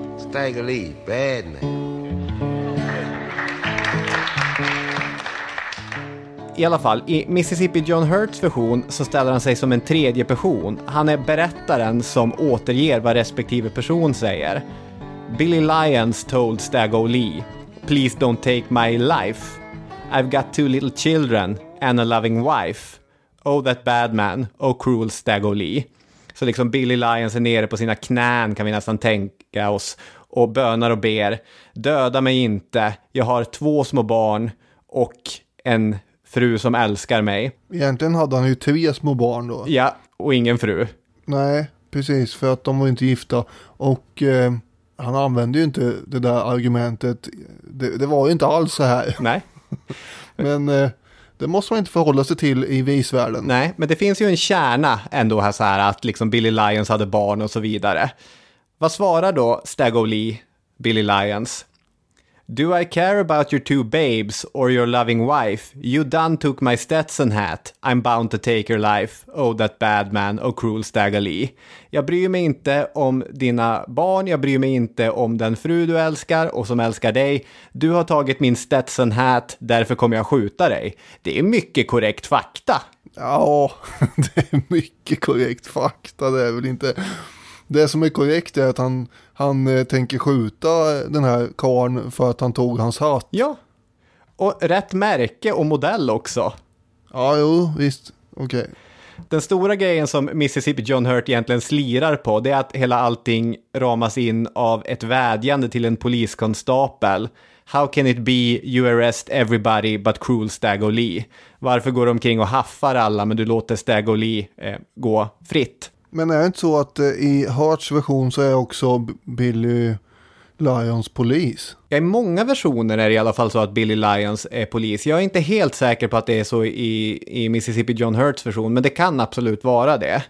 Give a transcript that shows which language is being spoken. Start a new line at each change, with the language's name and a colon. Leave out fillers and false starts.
English: Stack Lee, bad man.
Swedish: I alla fall, i Mississippi John Hurts version så ställer han sig som en tredje person. Han är berättaren som återger vad respektive person säger.
English: Billy Lyons told Stag O'Lee, "Please don't take my life. I've got two little children and a loving wife. Oh, that bad man. Oh, cruel Stag O'Lee."
Swedish: Så liksom Billy Lyons är nere på sina knän, kan vi nästan tänka oss, och bönar och ber, "Döda mig inte. Jag har två små barn och en fru som älskar mig." Egentligen hade han ju tre små barn då. Ja, och ingen fru. Nej, precis, för att de var inte gifta. Och han använde ju inte det där argumentet. Det var ju inte alls så här. Nej. Men det måste man inte förhålla sig till i visvärlden. Nej, men det finns ju en kärna ändå här, så här att liksom Billy Lyons hade barn och så vidare. Vad svarar då Stag O'Lee, Billy Lyons?
English: "Do I care about your two babes or your loving wife? You done took my Stetson hat. I'm bound to take your life. Oh, that bad man. Oh, cruel Stag O'Lee."
Swedish: Jag bryr mig inte om dina barn. Jag bryr mig inte om den fru du älskar och som älskar dig. Du har tagit min Stetson hat. Därför kommer jag skjuta dig. Det är mycket korrekt fakta. Ja, det är mycket korrekt fakta. Det är väl inte... Det som är korrekt är att han tänker skjuta den här karen för att han tog hans hat. Ja, och rätt märke och modell också. Ja, jo, visst. Okej. Okay. Den stora grejen som Mississippi John Hurt egentligen slirar på, det är att hela allting ramas in av ett vädjande till en poliskonstapel.
English: "How can it be you arrest everybody but cruel Stag O'Lee?
Swedish: Varför går de omkring och haffar alla men du låter Stag O'Lee gå fritt?" Men är det inte så att i Hurts version så är också Billy Lyons polis? Ja, i många versioner är det i alla fall så att Billy Lyons är polis. Jag är inte helt säker på att det är så i Mississippi John Hurts version, men det kan absolut vara det.